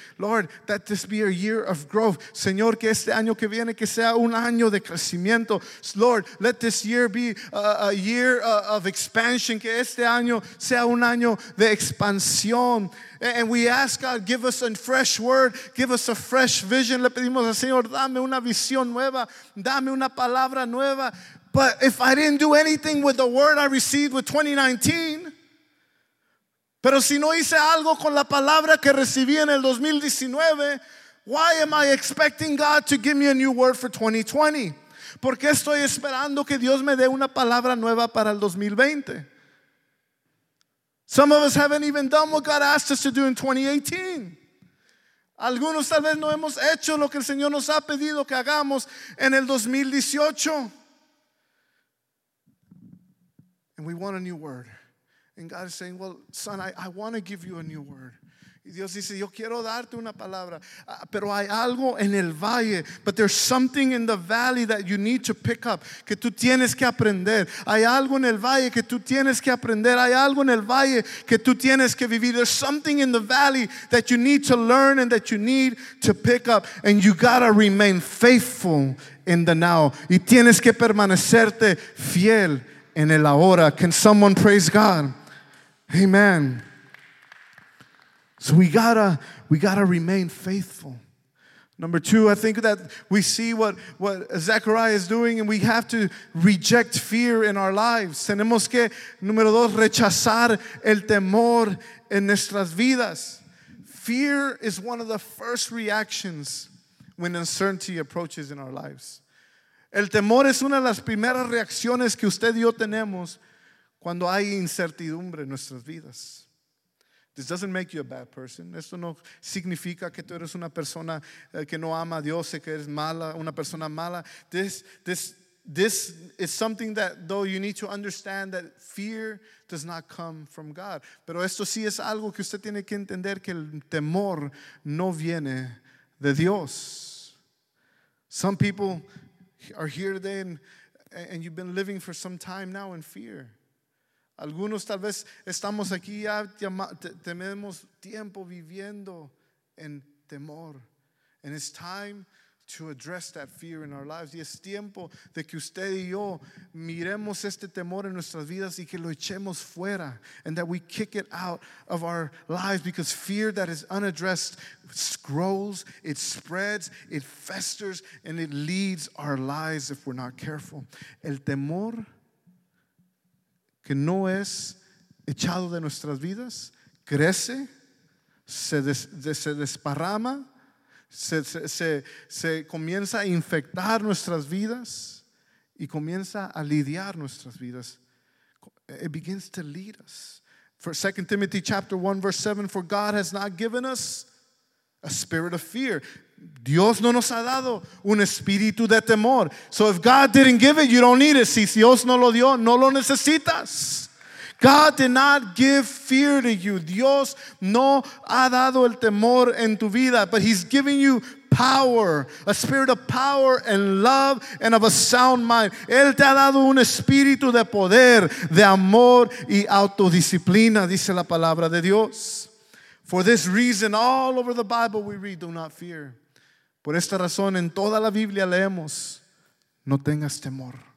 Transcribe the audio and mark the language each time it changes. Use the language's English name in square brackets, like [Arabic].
[English] Lord, that this be a year of growth. [Spanish] Señor, que este año que viene que sea un año de crecimiento. [English] Lord, let this year be a year of expansion. [Spanish] Que este año sea un año de expansión. [English] And we ask God, give us a fresh word, give us a fresh vision. [Spanish] Le pedimos al Señor, dame una visión nueva, dame una palabra nueva. [English] But if I didn't do anything with the word I received with 2019, [Spanish] pero si no hice algo con la palabra que recibí en el 2019, [English] why am I expecting God to give me a new word for 2020? [Spanish] ¿Por qué estoy esperando que Dios me dé una palabra nueva para el 2020? [English] Some of us haven't even done what God asked us to do in 2018. [Spanish] Algunos tal vez no hemos hecho lo que el Señor nos ha pedido que hagamos en el 2018. [English] And we want a new word. And God is saying, well, son, I want to give you a new word. [Spanish] Y Dios dice, yo quiero darte una palabra, pero hay algo en el valle, [English] but there's something in the valley that you need to pick up, [Spanish] que tú tienes que aprender. Hay algo en el valle que tú tienes que aprender. Hay algo en el valle que tú tienes que vivir. [English] There's something in the valley that you need to learn and that you need to pick up, and you gotta remain faithful in the now. [Spanish] Y tienes que permanecerte fiel en el ahora. [English] Can someone praise God? Amen. So we gotta remain faithful. Number two, I think that we see what Zechariah is doing, and we have to reject fear in our lives. [Spanish] Tenemos que, número dos, rechazar el temor en nuestras vidas. [English] Fear is one of the first reactions when uncertainty approaches in our lives. [Spanish] El temor es una de las primeras reacciones que usted y yo tenemos cuando hay incertidumbre en nuestras vidas. [English] This doesn't make you a bad person. [Spanish] Esto no significa que tú eres una persona que no ama a Dios, que eres mala, una persona mala. [English] This is something that, though, you need to understand that fear does not come from God. [Spanish] Pero esto sí es algo que usted tiene que entender, que el temor no viene de Dios. [English] Some people are here today and you've been living for some time now in fear. [Spanish] Algunos tal vez estamos aquí ya tenemos tiempo viviendo en temor. [English] And it's time to address that fear in our lives. [Spanish] Y es tiempo de que usted y yo miremos este temor en nuestras vidas y que lo echemos fuera. [English] And that we kick it out of our lives, because fear that is unaddressed grows, it spreads, it festers, and it leads our lives if we're not careful. [Spanish] El temor que no es echado de nuestras vidas, crece, se desparrama, se comienza a infectar nuestras vidas y comienza a lidiar nuestras vidas. [English] It begins to lead us. For 2 Timothy chapter 1, verse 7, for God has not given us a spirit of fear. [Spanish] Dios no nos ha dado un espíritu de temor. [English] So if God didn't give it, you don't need it. [Spanish] Si Dios no lo dio, no lo necesitas. [English] God did not give fear to you. [Spanish] Dios no ha dado el temor en tu vida, [English] but he's giving you power, a spirit of power and love and of a sound mind. [Spanish] Él te ha dado un espíritu de poder, de amor y autodisciplina, dice la palabra de Dios. [English] For this reason, all over the Bible we read, do not fear. [Spanish] Por esta razón, en toda la Biblia leemos, no tengas temor.